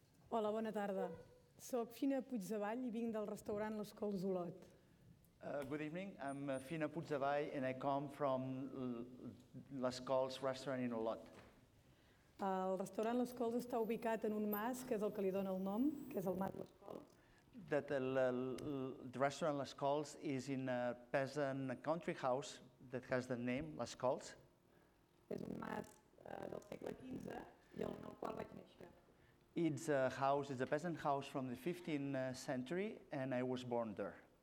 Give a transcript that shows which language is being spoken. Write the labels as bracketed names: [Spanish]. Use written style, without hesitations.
[Catalan] Hola, bona tarda. Soc Fina Puigdevall I vinc del restaurant Les Cols d'Olot. [English] Good evening. I'm Fina Puigdevall and I come from Les Cols restaurant in Olot. [Catalan] El restaurant Les Cols està ubicat en un mas que és el que li dona el nom, que és el mas Les Cols. [English] That the restaurant Les Cols is in a peasant country house that has the name Les Cols. [Catalan] És un mas del segle XV I el nom qual vaig néixer. [English] It's a house, it's a peasant house from the 15th century, and I was born there.